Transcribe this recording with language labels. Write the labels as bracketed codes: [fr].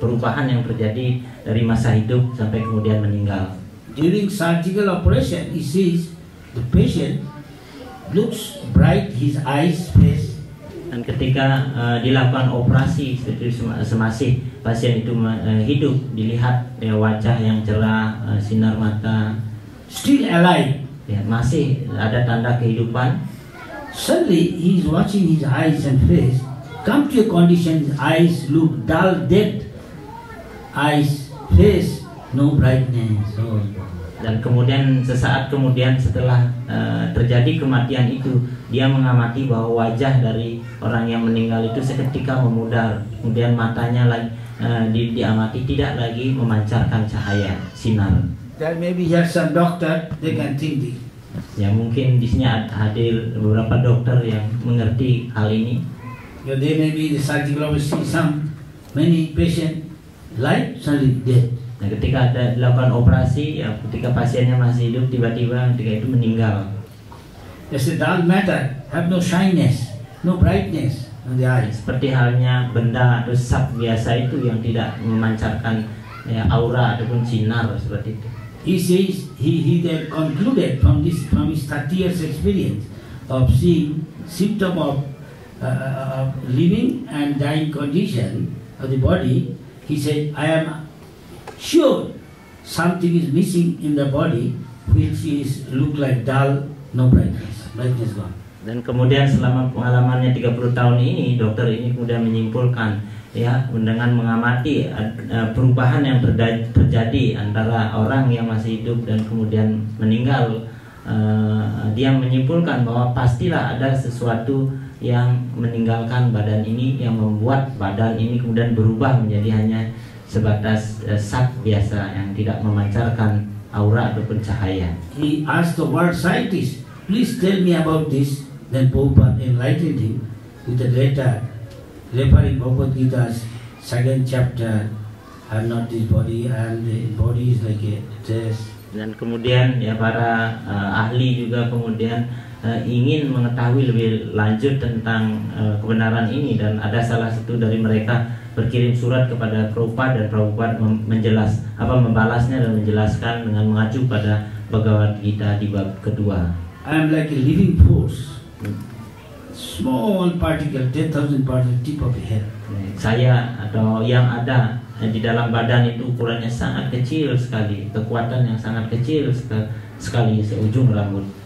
[id] Perubahan yang terjadi dari masa hidup sampai kemudian meninggal. [en] During surgical operation, he sees the patient looks bright, his eyes face. [id] Dan ketika dilakukan operasi seperti semasih pasien itu hidup, dilihat ya, wajah yang cerah, sinar mata [en] still alive, [id] ya, masih ada tanda kehidupan. [en] Suddenly he is watching his eyes and face come to a condition, his eyes look dull, dead eyes, face no brightness. Oh. [id] Dan kemudian sesaat kemudian setelah terjadi kematian itu, dia mengamati bahwa wajah dari orang yang meninggal itu seketika memudar. Kemudian matanya diamati tidak lagi memancarkan cahaya sinar. [en] That maybe here some doctor they can think this. [id] Ya mungkin di sini hadir beberapa dokter yang mengerti hal ini. [en] Yeah, they maybe the surgical operation some many patient life suddenly dead. [id] Nah, ketika ada dilakukan operasi, ya, ketika pasiennya masih hidup, tiba-tiba ketika itu meninggal. [en] It's a dull matter, have no shininess, no brightness on the eyes. [id] Seperti halnya benda atau zat biasa itu yang tidak memancarkan ya, aura ataupun sinar seperti itu. [en] He says he concluded from his 30 years experience of seeing symptom of living and dying condition of the body. He said, I am sure something is missing in the body which is look like dull, no brightness, brightness gone. [id] Dan kemudian selama pengalamannya 30 tahun ini, dokter ini kemudian menyimpulkan ya, dengan mengamati perubahan yang terjadi antara orang yang masih hidup dan kemudian meninggal, dia menyimpulkan bahwa pastilah ada sesuatu yang meninggalkan badan ini yang membuat badan ini kemudian berubah menjadi hanya sebatas sat biasa yang tidak memancarkan aura ataupun cahaya. [en] He asked the world scientist, please tell me about this. Then Pope enlightened him with a letter referring Bhagavad Gita's second chapter, I'm not this body, and the body is like a dress. [id] Dan kemudian ya para ahli juga kemudian ingin mengetahui lebih lanjut tentang kebenaran ini, dan ada salah satu dari mereka berkirim surat kepada Prabhupada, dan Prabhupada membalasnya dan menjelaskan dengan mengacu pada Bhagavad Gita di bab kedua. [en] I am like a living force, small particle, 10,000 particle, tip of a hair. [id] Saya atau yang ada di dalam badan itu ukurannya sangat kecil sekali, kekuatan yang sangat kecil sekali seujung rambut.